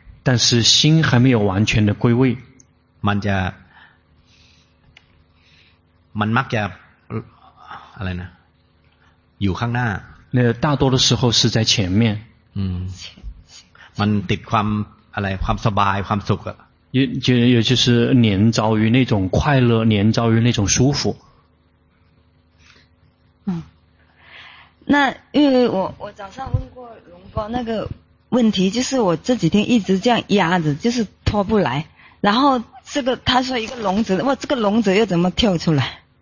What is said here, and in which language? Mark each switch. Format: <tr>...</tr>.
<zh>但是心还没有完全的归位</zh> <th>มันจะมันมักจะอะไรนะอยู่ข้างหน้า</th> <zh>那大多的时候是在前面</zh> <th>มันติดความอะไรความสบายความสุขอะ</th> <zh>也就是黏着于那种快乐，黏着于那种舒服。嗯，那因为我早上问过荣哥那个问题，就是我这几天一直这样压着，就是拖不来。然后这个他说一个笼子，哇，这个笼子又怎么跳出来？</zh>